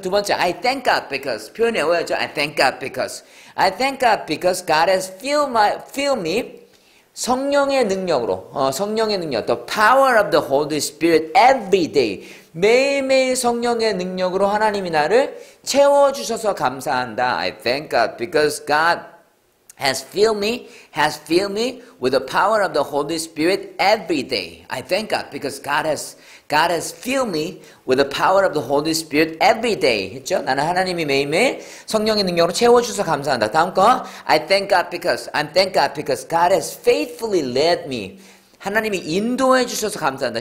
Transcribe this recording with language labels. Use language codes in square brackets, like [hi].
[ko] 두 번째, [en] I thank God because. [ko] 표현이 외워야죠. [en] I thank God because. I thank God because God has filled me [ko] 성령의 능력으로, 성령의 능력, [en] the power of the Holy Spirit every day. [ko] 매일매일 성령의 능력으로 하나님이 나를 채워주셔서 감사한다. [en] I thank God because God has filled me with the power of the Holy Spirit every day. I thank God because God has filled me with the power of the Holy Spirit every day. [ko] 했죠? 나는 하나님이 매일매일 성령의 능력으로 채워주셔서 감사한다. 다음 거. [en] I thank God because God has faithfully led me. [ko] 하나님이 인도해 주셔서 감사한다.